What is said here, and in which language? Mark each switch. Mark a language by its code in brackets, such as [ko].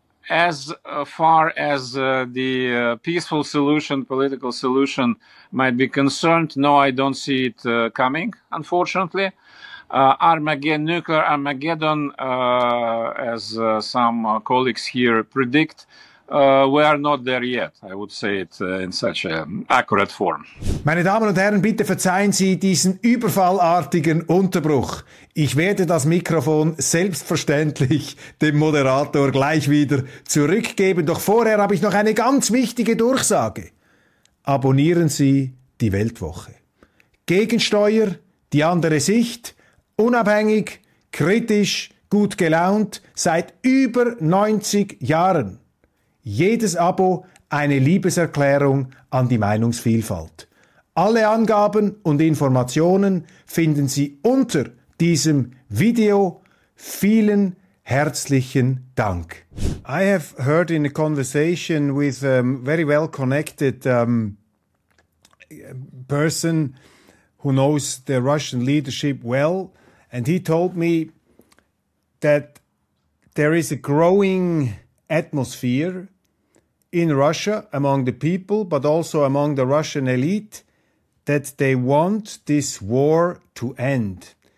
[en] As far as the peaceful solution, political solution might be concerned, no, I don't see it coming, unfortunately. Nuclear Armageddon, as some colleagues here predict, we are not there yet, I would say it in such an accurate form. [de] Meine Damen und Herren, bitte verzeihen Sie diesen überfallartigen Unterbruch. Ich werde das Mikrofon selbstverständlich dem Moderator gleich wieder zurückgeben. Doch vorher habe ich noch eine ganz wichtige Durchsage. Abonnieren Sie die Weltwoche. Gegensteuer, die andere Sicht, unabhängig, kritisch, gut gelaunt, seit über 90 Jahren. Jedes Abo eine Liebeserklärung an die Meinungsvielfalt. Alle Angaben und Informationen finden Sie unter diesem Video. Vielen herzlichen Dank. [en] I have heard in a conversation with a very well connected person who knows the Russian leadership well, and he told me that there is a growing atmosphere in Russia, among the people, but also among the Russian elite, that they want this war to end.